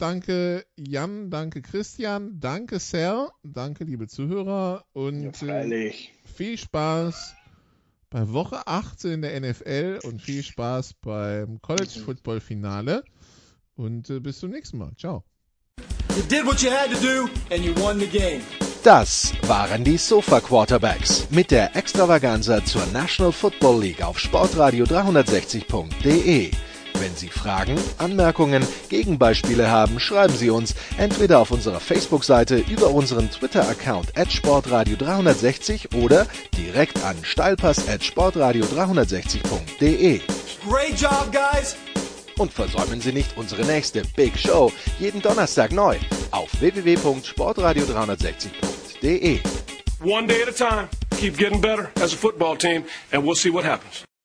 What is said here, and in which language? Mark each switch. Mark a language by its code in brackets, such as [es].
[de] Danke Jan, danke Christian, danke Sir, danke liebe Zuhörer und viel Spaß bei Woche 18 in der NFL und viel Spaß beim College Football Finale und bis zum nächsten Mal. Ciao. [en] You did what you had to do and you won the game. [de] Das waren die Sofa Quarterbacks mit der Extravaganza zur National Football League auf sportradio360.de. Wenn Sie Fragen, Anmerkungen, Gegenbeispiele haben, schreiben Sie uns entweder auf unserer Facebook-Seite über unseren Twitter-Account @sportradio360 oder direkt an steilpass@sportradio360.de. [en] Great job, guys! [de] Und versäumen Sie nicht unsere nächste Big Show jeden Donnerstag neu auf www.sportradio360.de. [en] One day at a time. Keep getting better as a football team and we'll see what happens.